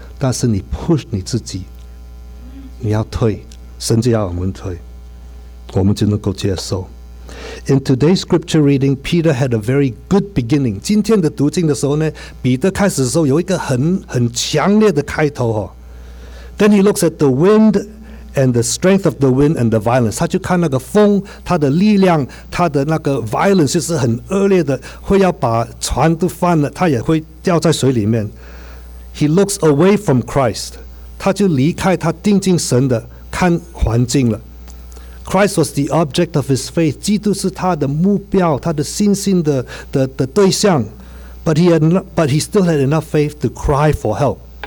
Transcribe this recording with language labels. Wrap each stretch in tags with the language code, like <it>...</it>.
<zh>但是你 push 你自己，你要退，神就要我们退，我们就能够接受。</zh> <en>In today's scripture reading, Peter had a very good beginning.</en> <zh>今天的读经的时候呢，彼得开始的时候有一个很强烈的开头哦。</zh> <en>Then he looks at the wind and the strength of the wind and the violence.</en> <zh>他就看那个风，他的力量，他的那个 violence 就是很恶劣的，会要把船都翻了，他也会掉在水里面。</zh> <en>He looks away from Christ.</en> <zh>他就离开他定睛神的看环境了。</zh> <en>Christ was the object of his faith.</en> <zh>基督是他的目标，他的信心的对象。</zh> <en>But he still had enough faith to cry for help.</en>